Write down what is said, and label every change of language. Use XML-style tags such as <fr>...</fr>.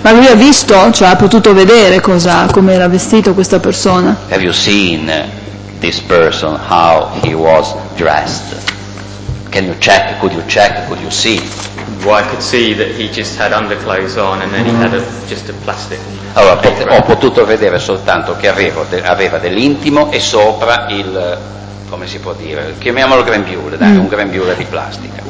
<it>Ma lui ha visto, cioè ha potuto vedere cosa, come era vestito questa persona?</it> <en>Have you seen this person, how he was dressed? Can you check? Could you see? Well, I could see that he just had underclothes on, and then he had just a plastic.</en> <it>Allora, ho potuto vedere soltanto che aveva dell'intimo e sopra il, come si può dire, chiamiamolo grembiule, un grembiule di plastica.</it>